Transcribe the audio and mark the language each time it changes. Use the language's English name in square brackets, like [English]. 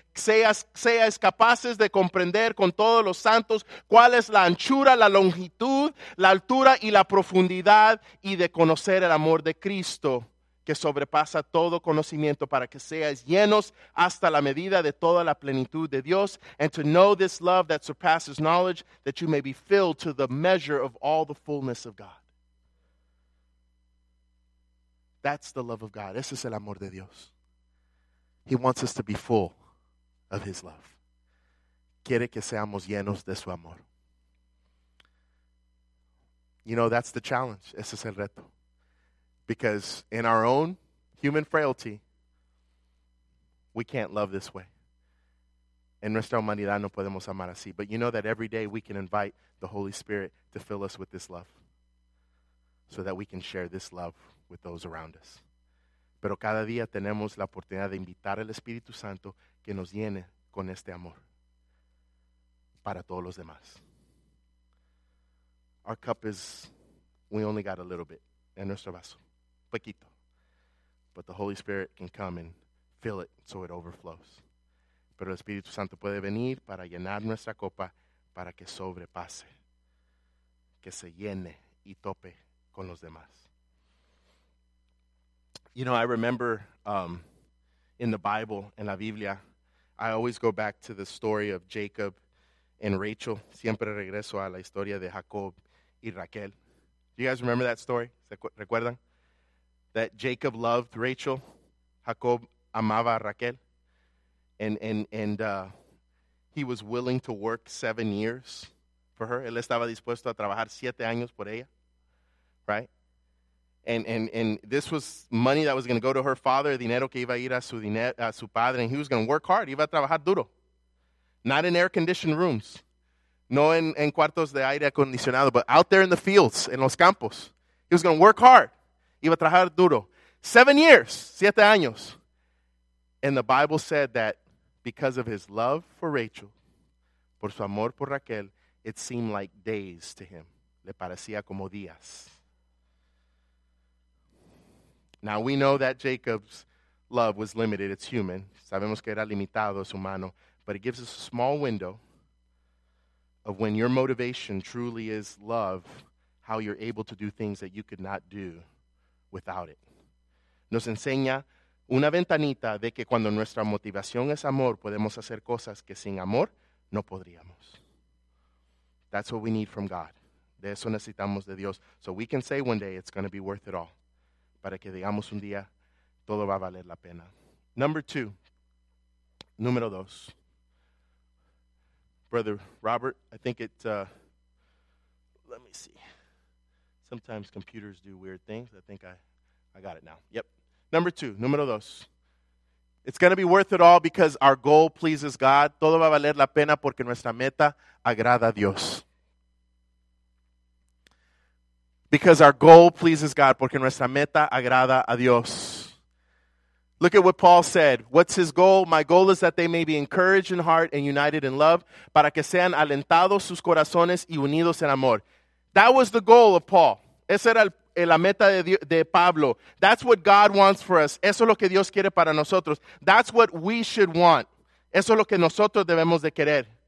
[Spanish] Seas capaces de comprender con todos los santos cuál es la anchura, la longitud, la altura y la profundidad y de conocer el amor de Cristo que sobrepasa todo conocimiento para que seáis llenos hasta la medida de toda la plenitud de Dios. [English] And to know this love that surpasses knowledge, that you may be filled to the measure of all the fullness of God. That's the love of God. [Spanish] Ese es el amor de Dios. [English] He wants us to be full of his love. [Spanish] Quiere que seamos llenos de su amor. [English] You know, that's the challenge. [Spanish] Ese es el reto. [English] Because in our own human frailty, we can't love this way. [Spanish] En nuestra humanidad no podemos amar así. [English] But you know that every day we can invite the Holy Spirit to fill us with this love so that we can share this love with those around us. [Spanish] Pero cada día tenemos la oportunidad de invitar al Espíritu Santo que nos llene con este amor para todos los demás. [English] Our cup is, we only got a little bit [Spanish] en nuestro vaso. Poquito. [English] But the Holy Spirit can come and fill it so it overflows. [Spanish] Pero el Espíritu Santo puede venir para llenar nuestra copa para que sobrepase, que se llene y tope con los demás. [English] You know, I remember in the Bible, [Spanish] en la Biblia, [English] I always go back to the story of Jacob and Rachel. [Spanish] Siempre regreso a la historia de Jacob y Raquel. [English] You guys remember that story? [Spanish] ¿Recuerdan? [English] That Jacob loved Rachel, [Spanish] Jacob amaba a Raquel, [English] and he was willing to work 7 years for her. [Spanish] Él estaba dispuesto a trabajar 7 años por ella, [English] right? And this was money that was going to go to her father, [Spanish] dinero que iba a ir a su padre, [English] and he was going to work hard, [Spanish] iba a trabajar duro. [English] Not in air-conditioned rooms, [Spanish] no en cuartos de aire acondicionado, [English] but out there in the fields, [Spanish] en los campos. [English] He was going to work hard. [Spanish] Iba a trabajar duro. [English] 7 years, [Spanish] 7 años. [English] And the Bible said that because of his love for Rachel, [Spanish] por su amor por Raquel, [English] it seemed like days to him. [Spanish] Le parecía como días. [English] Now we know that Jacob's love was limited. It's human. [Spanish] Sabemos que era limitado, es humano. [English] But it gives us a small window of when your motivation truly is love, how you're able to do things that you could not do without it. [Spanish] Nos enseña una ventanita de que cuando nuestra motivación es amor, podemos hacer cosas que sin amor no podríamos. [English] That's what we need from God. [Spanish] De eso necesitamos de Dios. [English] So we can say one day it's going to be worth it all. [Spanish] Para que digamos un día todo va a valer la pena. [English] Number two. [Spanish] Número dos. [English] Brother Robert, I think it, let me see. Sometimes computers do weird things. I think I got it now. Yep. Number two. [Spanish] Número dos. [English] It's going to be worth it all because our goal pleases God. [Spanish] Todo va a valer la pena porque nuestra meta agrada a Dios. [English] Because our goal pleases God. [Spanish] Porque nuestra meta agrada a Dios. [English] Look at what Paul said. What's his goal? My goal is that they may be encouraged in heart and united in love. [Spanish] Para que sean alentados sus corazones y unidos en amor. [English] That was the goal of Paul. [Spanish] Esa era la meta de Pablo. [English] That's what God wants for us. [Spanish] Eso es lo que Dios quiere para nosotros. [English] That's what we should want. [Spanish] Eso es lo que nosotros debemos de querer.